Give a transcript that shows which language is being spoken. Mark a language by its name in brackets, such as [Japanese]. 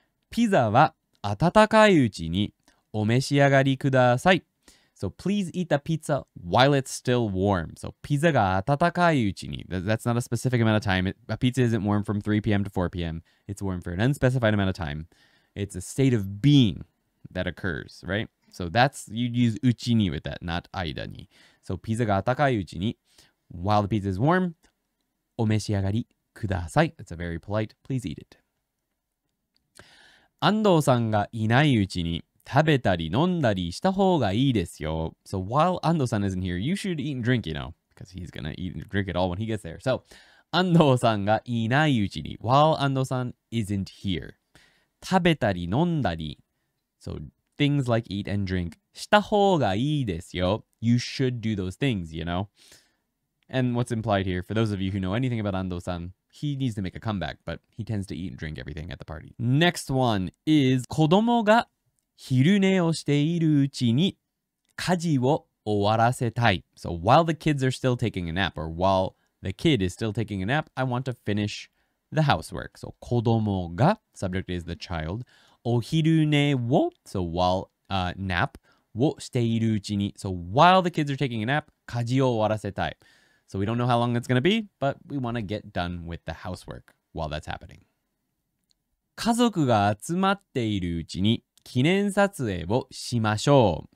[Japanese] ピザは温かいうちにお召し上がりください。 [English] So please eat the pizza while it's still warm. So pizza [Japanese] が温かいうちに。 [English] That's not a specific amount of time. A pizza isn't warm from 3 p.m. to 4 p.m. It's warm for an unspecified amount of time. It's a state of being that occurs, right? So that's, you'd use うちに with that, not 間に. So pizza [Japanese] が温かいうちに, [English] while the pizza is warm, [Japanese] お召し上がりください. [English] That's a very polite, please eat it. [Japanese] 安藤さんがいないうちに食べたり飲んだりした方がいいですよ。 [English] So while Ando-san isn't here, you should eat and drink, you know, because he's gonna eat and drink it all when he gets there. So, Ando-san [Japanese] がいないうちに, [English] while Ando-san isn't here, [Japanese] 食べたり飲んだり, [English] so things like eat and drink, [Japanese] した方がいいですよ。 [English] You should do those things, you know. And what's implied here, for those of you who know anything about Ando-san,He needs to make a comeback, but he tends to eat and drink everything at the party. Next one is [Japanese] 子供が昼寝をしているうちに家事を終わらせたい。 [English] So while the kids are still taking a nap, or while the kid is still taking a nap, I want to finish the housework. So [Japanese] 子供が, [English] subject is the child, [Japanese] お昼寝を, [English] so while nap, [Japanese] をしているうちに, [English] so while the kids are taking a nap, [Japanese] 家事を終わらせたい。 [English] So we don't know how long it's going to be, but we want to get done with the housework while that's happening. [Japanese] 家族が集まっているうちに記念撮影をしましょう。